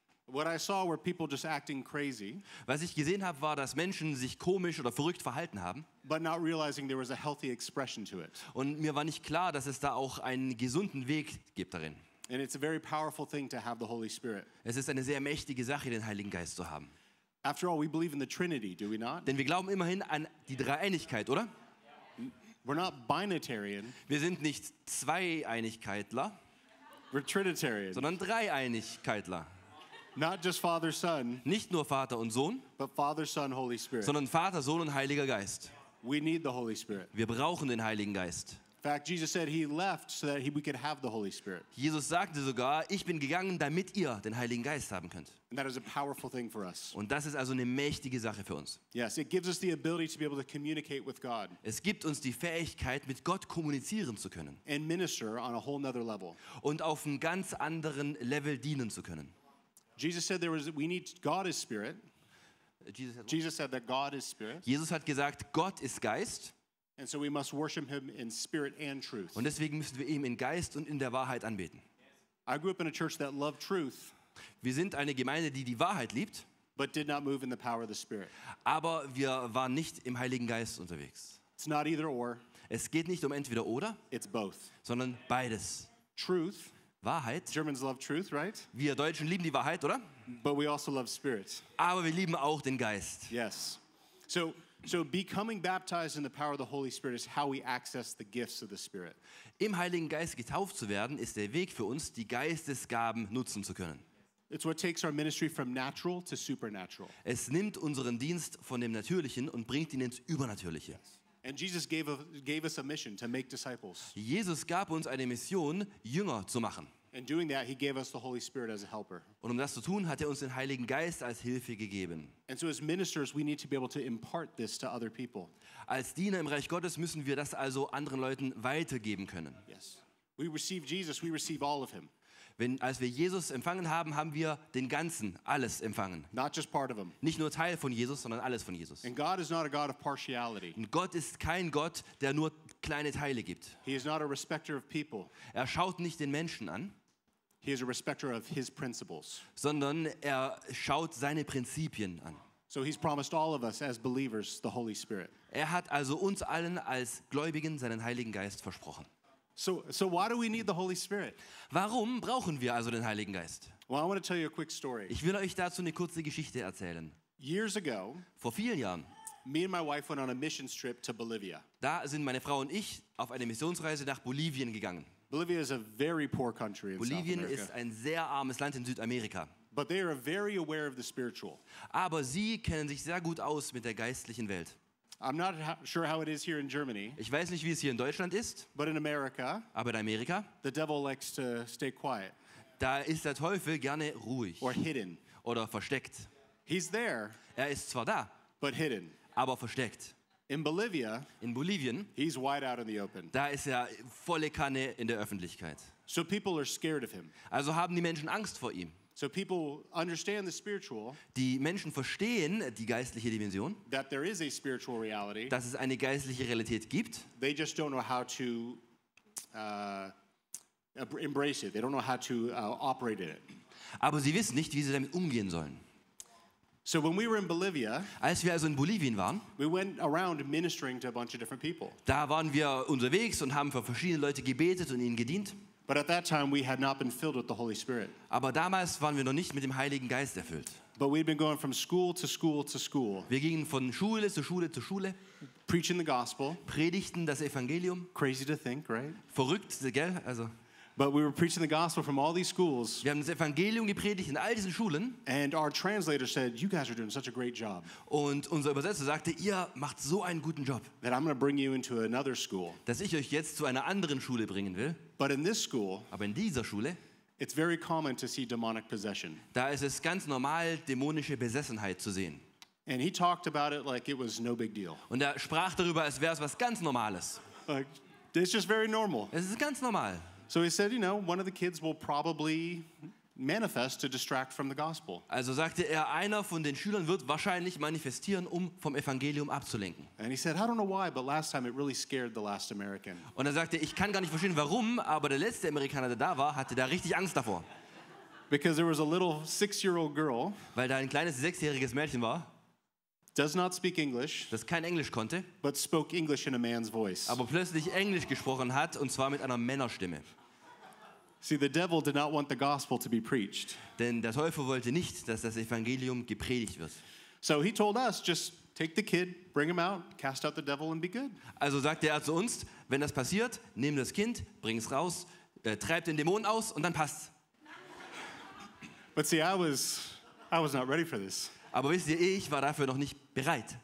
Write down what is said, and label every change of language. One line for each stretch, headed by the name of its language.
English: What I saw were people just acting crazy.
German: Was ich gesehen habe, war, dass Menschen sich komisch oder verrückt verhalten haben.
English: But not realizing there was a healthy expression to it.
German: Und mir war nicht klar, dass es da auch einen gesunden Weg gibt darin.
English: And it's a very powerful thing to have the Holy Spirit.
German: Es ist eine sehr mächtige Sache, den Heiligen Geist zu haben.
English: After all, we believe in the Trinity, do we not?
German: Denn wir glauben immerhin an die Dreieinigkeit, oder?
English: We're not binitarian.
German: Wir sind nicht Zweieinigkeitler.
English: We're Trinitarian.
German: Sondern Dreieinigkeitler.
English: Not just Father, Son.
German: Nicht nur Vater und Sohn.
English: But Father, Son, Holy Spirit.
German: Sondern Vater, Sohn und Heiliger Geist.
English: We need the Holy Spirit.
German: Wir brauchen den Heiligen Geist.
English: In fact, Jesus said he left so that we could have the Holy Spirit.
German: Jesus sagte sogar, ich bin gegangen, damit ihr den Heiligen Geist haben könnt.
English: And that is a powerful thing for us.
German: Und das ist also eine mächtige Sache für uns.
English: Yes, it gives us the ability to be able to communicate with God.
German: Es gibt uns die Fähigkeit, mit Gott kommunizieren zu können.
English: And minister on a whole another level.
German: Und auf einem ganz anderen Level dienen zu können.
English: Jesus said there was we need God is spirit. Jesus said that God is spirit.
German: Jesus hat gesagt, Gott ist Geist.
English: And so we must worship him in spirit and truth.
German: Und deswegen müssen wir ihm in Geist und in der Wahrheit anbeten.
English: I grew up in a church that loved truth.
German: Wir sind eine Gemeinde, die die Wahrheit liebt.
English: But did not move in the power of the Spirit.
German: Aber wir waren nicht im Heiligen Geist unterwegs.
English: It's not either or.
German: Es geht nicht um entweder oder.
English: It's both.
German: Sondern beides.
English: Truth.
German: Wahrheit.
English: Germans love truth, right?
German: Wir Deutschen lieben die Wahrheit, oder?
English: But we also love spirit.
German: Aber wir lieben auch den Geist.
English: Yes. So becoming baptized in the power of the Holy Spirit is how we access the gifts of the Spirit.
German: Im Heiligen Geist getauft zu werden ist der Weg für uns, die Geistesgaben nutzen zu können.
English: It's what takes our ministry from natural to supernatural.
German: Es nimmt unseren Dienst von dem Natürlichen und bringt ihn ins Übernatürliche.
English: Yes. And Jesus gave us a mission to make disciples.
German: Jesus gab uns eine Mission, Jünger zu machen.
English: And doing that, he gave us the Holy Spirit as a helper.
German: Und um das zu tun, hat uns den Heiligen Geist als Hilfe gegeben.
English: And so as ministers, we need to be able to impart this to other people.
German: Als Diener im Reich Gottes müssen wir das also anderen Leuten weitergeben können.
English: Yes. We receive Jesus, we receive all of him.
German: Als wir Jesus empfangen haben, haben wir den Ganzen, alles empfangen.
English: Not just part of him.
German: Nicht nur Teil von Jesus, sondern alles von Jesus.
English: And God is not a God of partiality.
German: Und Gott ist kein Gott, der nur kleine Teile gibt.
English: He is not a respecter of people.
German: Er schaut nicht den Menschen an.
English: He is a respecter of his principles.
German: Sondern er schaut seine Prinzipien an.
English: So he's promised all of us as believers the Holy Spirit.
German: Er hat also uns allen als Gläubigen seinen Heiligen Geist versprochen.
English: So why do we need the Holy Spirit?
German: Warum brauchen wir also den Heiligen Geist?
English: Well, I want to tell you a quick story.
German: Ich will euch dazu eine kurze Geschichte erzählen.
English: Years ago,
German: vor vielen Jahren,
English: me and my wife went on a missions trip to Bolivia.
German: Da sind meine Frau und ich auf eine Missionsreise nach Bolivien gegangen.
English: Bolivia is a very poor country in
German: Bolivien
English: South America.
German: Ist ein sehr armes Land in Südamerika.
English: But they are very aware of the spiritual.
German: Aber sie kennen sich sehr gut aus mit der geistlichen Welt.
English: I'm not sure how it is here in Germany.
German: Ich weiß nicht, wie es hier in Deutschland ist.
English: But in America,
German: aber in Amerika,
English: the devil likes to stay quiet.
German: Da ist der Teufel gerne ruhig.
English: Or hidden.
German: Oder versteckt.
English: He's there.
German: Er ist zwar da.
English: But hidden.
German: Aber versteckt.
English: In Bolivien, he's wide out in the open.
German: Da ist er volle Kanne in der Öffentlichkeit.
English: So people are scared of him.
German: Also haben die Menschen Angst vor ihm.
English: So people understand the spiritual.
German: Die Menschen verstehen die geistliche Dimension.
English: That there is a spiritual reality.
German: Dass es eine geistliche Realität gibt.
English: They just don't know how to embrace it. They don't know how to operate in it.
German: Aber sie wissen nicht, wie sie damit umgehen sollen.
English: So when we were in Bolivia,
German: als wir also in Bolivien waren,
English: we went around ministering to a bunch of different people.
German: Da waren wir unterwegs und haben für verschiedene Leute gebetet und ihnen gedient.
English: But at that time we had not been filled with the Holy Spirit.
German: Aber damals waren wir noch nicht mit dem Heiligen Geist erfüllt.
English: But we'd been going from school to school to school.
German: Wir gingen von Schule zu Schule zu Schule.
English: Preaching the gospel.
German: Predigten das Evangelium.
English: Crazy to think, right?
German: Verrückt, gell? Also.
English: But we were preaching the gospel from all these schools.
German: Wir haben das Evangelium gepredigt in all diesen Schulen.
English: And our translator said, "You guys are doing such a great job."
German: Und unser Übersetzer sagte, ihr macht so einen guten Job.
English: That I'm going to bring you into another school.
German: Dass ich euch jetzt zu einer anderen Schule bringen will.
English: But in this school,
German: aber in dieser Schule,
English: it's very common to see demonic possession.
German: Da ist es ganz normal, dämonische Besessenheit zu sehen.
English: And he talked about it like it was no big deal.
German: Und er sprach darüber, als wäre es was ganz Normales.
English: Like, it's just very normal.
German: Es ist ganz normal.
English: So he said, you know, one of the kids will probably manifest to distract from the gospel.
German: Also sagte er, einer von den Schülern wird wahrscheinlich manifestieren, um vom Evangelium abzulenken.
English: And he said, I don't know why, but last time it really scared the last American.
German: Und er sagte, ich kann gar nicht verstehen, warum, aber der letzte Amerikaner, der da war, hatte da richtig Angst davor.
English: Because there was a little 6-year-old girl.
German: Weil da ein kleines 6-jähriges Mädchen war.
English: Does not speak English.
German: Das kein Englisch konnte.
English: But spoke English in a man's voice.
German: Aber plötzlich Englisch gesprochen hat und zwar mit einer Männerstimme.
English: See, the devil did not want the gospel to be preached.
German: Denn der Teufel wollte nicht, dass das Evangelium gepredigt wird.
English: So he told us, just take the kid, bring him out, cast out the devil and be good.
German: Also sagte er zu uns, wenn das passiert, nimm das Kind, bring es raus, treib den Dämon aus und dann passt.
English: But see, I was not ready for this.
German: Aber wisst ihr, ich war dafür noch nicht bereit.